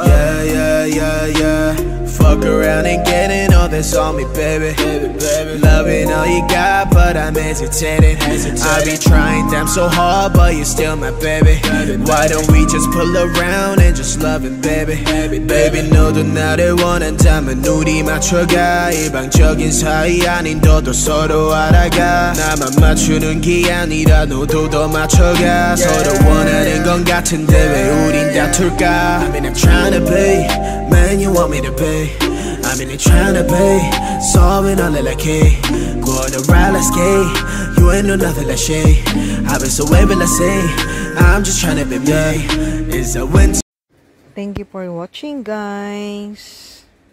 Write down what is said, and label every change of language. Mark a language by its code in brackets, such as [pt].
[en] Yeah. Fuck around and getting all this on me, baby. Loving all you got, but I'm hesitating. I be trying damn so hard, but you're still my baby. Why don't we just pull around and just love it, baby? [ko] Baby, 너도 나를 원한다면 우리 맞춰가. 일방적인 사이 아닌 너도 서로 알아가. 나만 맞추는 게 아니라 너도 더 맞춰가. 서로 원하는 건 같은데 왜 우린 다툴까? [en] I mean I'm trying to be, man you want me to be. I mean I'm trying to be, solving all that I can. Go on the ride, let's skate. You ain't know nothing like shit. I've been so waving, let's say. I'm just trying to be me. It's a winter. Thank you for watching, guys.